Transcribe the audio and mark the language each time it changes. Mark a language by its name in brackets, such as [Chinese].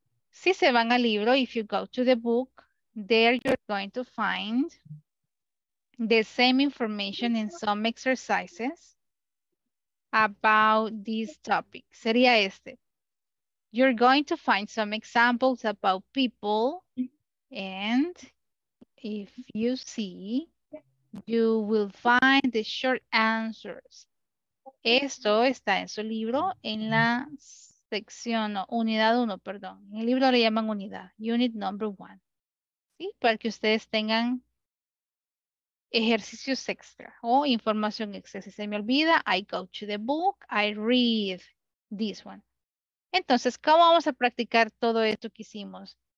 [Spanish] Si se van al libro, [English] if you go to the book, there you're going to find the same information in some exercises about this topic. [Spanish] Sería este. [English] You're going to find some examples about people, and if you see, you will find the short answers. [Spanish] Esto está en su libro, en la sección, no, unidad 1, perdón. En el libro le llaman unidad, [English] unit number 1. [Spanish] ¿Sí? Para que ustedes tengan ejercicios extra o información extra. Si se me olvida, [English] I go to the book, I read this one. [Spanish] Entonces, ¿cómo vamos a practicar todo esto que hicimos?